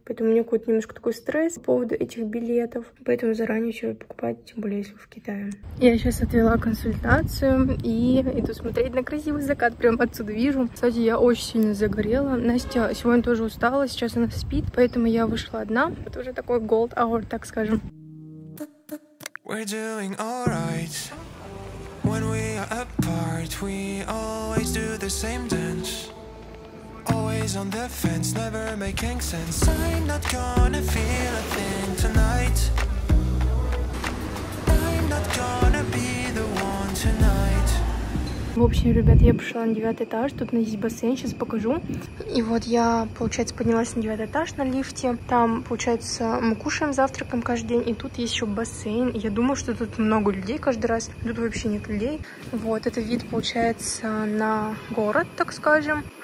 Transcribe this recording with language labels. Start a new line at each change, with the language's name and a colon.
Russian: Поэтому у меня какой-то немножко такой стресс по поводу этих билетов. Поэтому заранее все покупать, тем более, если в Китае. Я сейчас отвела консультацию и иду смотреть на красивый закат. Прям отсюда вижу. Кстати, я очень сильно загорела. Настя сегодня тоже устала, сейчас она спит, поэтому я вышла одна. Это уже такой gold hour, так скажем.
English: We're doing all right. When we are apart, we always do the same dance. Always on the fence, never making sense. I'm not gonna feel a thing tonight. I'm not gonna be the one tonight.
Russian: В общем, ребят, я пошла на 9 этаж, тут у нас есть бассейн, сейчас покажу. И вот я, получается, поднялась на 9 этаж на лифте. Там, получается, мы кушаем завтраком каждый день, и тут есть еще бассейн. Я думаю, что тут много людей каждый раз, тут вообще нет людей. Вот, это вид, получается, на город, так скажем.